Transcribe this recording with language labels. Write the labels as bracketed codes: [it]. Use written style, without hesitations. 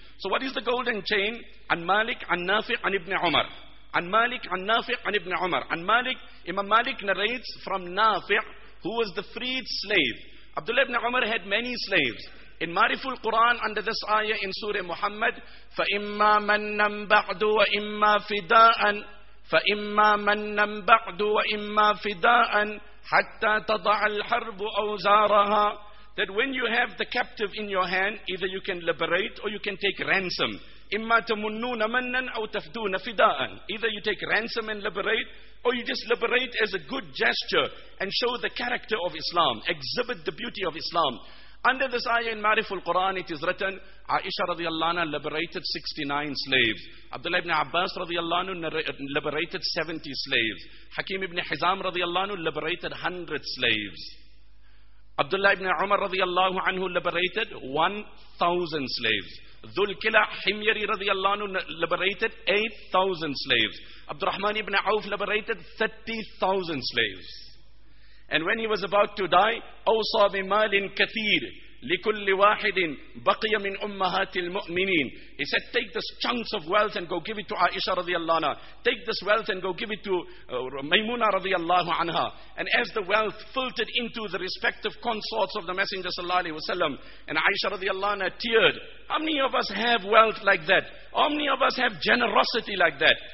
[en] So what is the golden chain? An Malik, an Nafi', an Ibn Umar. An Malik, an Nafi', an Ibn Umar. An Malik, Imam Malik narrates from Nafi', who was the freed slave. Abdullah ibn Umar had many slaves. In Mariful Quran, under this ayah in Surah Muhammad, [ar] فَإِمَّا مَنَّمْ بَعْدُ وَإِمَّا فِدَاءً فَإِمَّا مَنَّمْ بَعْدُ وَإِمَّا فِدَاءً حَتَّى تَضَعَ الْحَرْبُ أَوْزَارَهَا. [en] That when you have the captive in your hand, either you can liberate or you can take ransom. [ar] إِمَّا تَمُنُّونَ مَنَّا أَوْ تَفْدُونَ فِدَاءً. [en] Either you take ransom and liberate, or you just liberate as a good gesture and show the character of Islam, exhibit the beauty of Islam. Under this ayah in Mariful Quran, it is written, Aisha radiallahu anha liberated 69 slaves. Abdullah ibn Abbas radiallahu anhu liberated 70 slaves. Hakim ibn Hizam radiallahu anhu liberated 100 slaves. Abdullah ibn Umar radiallahu anhu liberated 1,000 slaves. Dhul Kila Himyari radiallahu anhu liberated 8,000 slaves. Abdurrahman ibn Auf liberated 30,000 slaves. And when he was about to die, [ar] أوصى بمال كثير. لكل واحد بقي من أمهات المؤمنين. [en] He said, take this chunks of wealth and go give it to Aisha radiallahu anha. Take this wealth and go give it to Maymuna radiallahu anha. And as the wealth filtered into the respective consorts of the Messenger sallallahu alayhi wa sallam, and Aisha radiallahu anha teared. How many of us have wealth like that? How many of us have generosity like that?